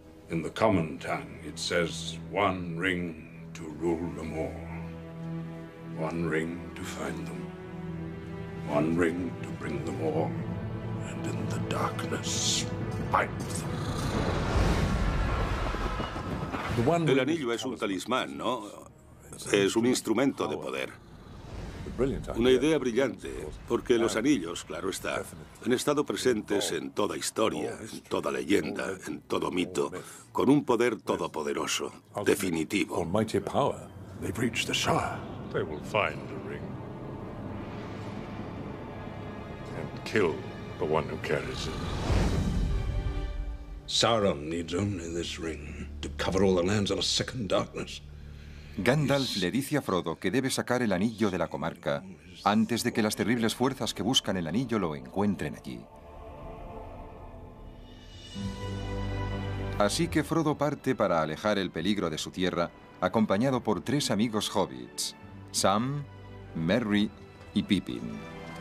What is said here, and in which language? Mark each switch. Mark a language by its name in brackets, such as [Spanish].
[English] In the common tongue, it says one ring to rule them all, one ring to find them, one ring to bring them all, and in the darkness bite them. [Spanish] El anillo es un talismán, ¿no? Es un instrumento de poder. Una idea brillante, porque los anillos, claro está, han estado presentes en toda historia, en toda leyenda, en todo mito, con un poder todopoderoso, definitivo. [English] Sauron needs only this ring to cover all the lands in a second darkness. [Spanish] Gandalf le dice a Frodo que debe sacar el anillo de la comarca antes de que las terribles fuerzas que buscan el anillo lo encuentren allí. Así que Frodo parte para alejar el peligro de su tierra, acompañado por 3 amigos hobbits, Sam, Merry y Pippin.